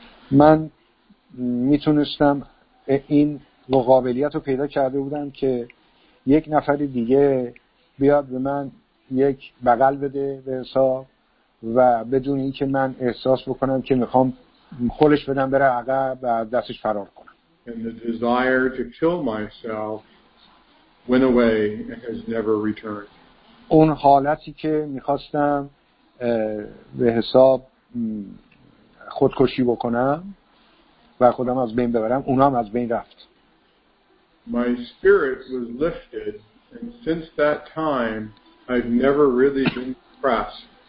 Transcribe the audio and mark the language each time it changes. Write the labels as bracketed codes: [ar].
[fa] من می تونستم این مقابلیت رو پیدا کرده بودم که یک نفر دیگه بیاد به من یک بغل بده به حساب و بدون این که من احساس بکنم که میخوام خلش بدم بره عقب و دستش فرار کنم. [en] And the desire to kill myself went away and has never returned. [fa] اون حالتی که میخواستم به حساب خودکشی بکنم و خودم از بین ببرم، اونا هم از بین رفت. [en] My spirit was lifted and since that time I've never really been depressed.